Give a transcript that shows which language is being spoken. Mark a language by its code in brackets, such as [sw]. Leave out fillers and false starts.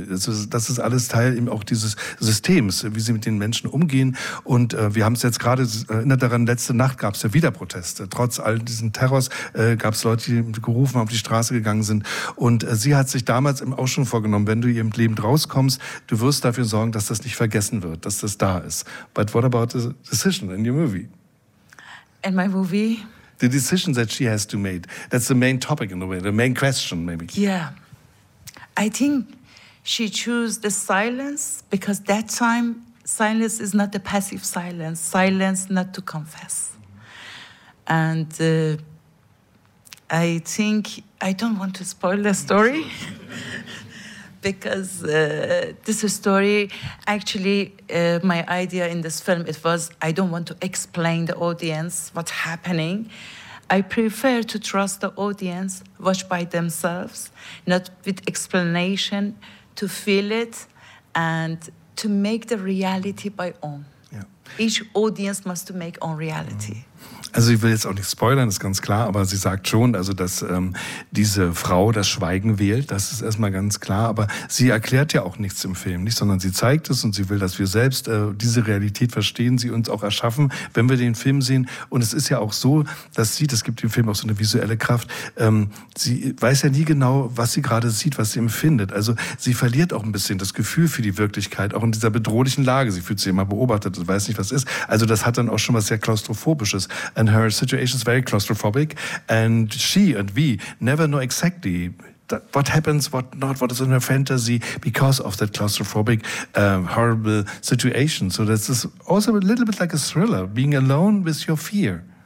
[de] Das ist alles Teil eben auch dieses Systems, wie sie mit den Menschen umgehen. Und wir haben es jetzt gerade, erinnert daran, letzte Nacht gab es ja wieder Proteste, trotz all diesen Terrors gab es Leute, die gerufen auf die Straße gegangen sind. Und sie hat sich damals auch schon vorgenommen, wenn du ihr Leben rauskommst, du wirst dafür sorgen, dass das nicht vergessen wird, dass das da ist. [en] But what about the decision in your movie? In my movie? The decision that she has to make. That's the main topic in a way, the main question maybe. Yeah. I think she chose the silence because that time silence is not a passive silence. Silence not to confess. And I think I don't want to spoil the story because this story, actually, my idea in this film, it was I don't want to explain the audience what's happening. I prefer to trust the audience, watch by themselves, not with explanation, to feel it and to make the reality by own. Yeah. Each audience must to make own reality. Mm. [de] Also ich will jetzt auch nicht spoilern, ist ganz klar, aber sie sagt schon, also dass diese Frau das Schweigen wählt, das ist erstmal ganz klar, aber sie erklärt ja auch nichts im Film, nicht, sondern sie zeigt es und sie will, dass wir selbst diese Realität verstehen, sie uns auch erschaffen, wenn wir den Film sehen. Und es ist ja auch so, dass sie, das gibt dem Film auch so eine visuelle Kraft, sie weiß ja nie genau, was sie gerade sieht, was sie empfindet. Also sie verliert auch ein bisschen das Gefühl für die Wirklichkeit, auch in dieser bedrohlichen Lage. Sie fühlt sich immer beobachtet und weiß nicht, was ist. Also das hat dann auch schon was sehr Klaustrophobisches. [en] And her situation is very claustrophobic, and she and we never know exactly that what happens, what not, what is in her fantasy because of that claustrophobic, horrible situation. So this is also a little bit like a thriller, being alone with your fear.